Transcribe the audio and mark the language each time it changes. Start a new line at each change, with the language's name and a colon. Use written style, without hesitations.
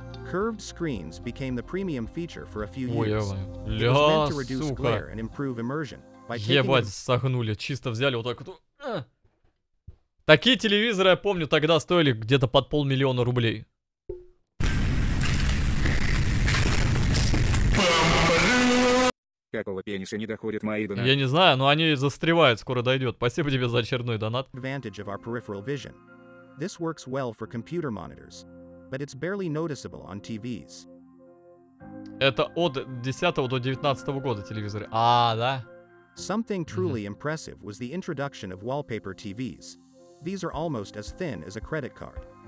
English: Curved screens became the premium feature for a few years.
Russian: Ой, ля, сука. Ебать, согнули, чисто взяли вот так вот. Такие телевизоры, я помню, тогда стоили где-то под 500 000 рублей. Как Какого пениса не доходят мои донаты? Я не знаю, но они застревают, скоро дойдет. Спасибо тебе за очередной донат.
English: Advantage of our peripheral vision. This works well for computer monitors, but it's barely noticeable on TVs.
Russian: Это от 10 до 19 года телевизоры. А, да?
English: Something truly impressive was the introduction of wallpaper TVs. These are almost as thin as a credit card.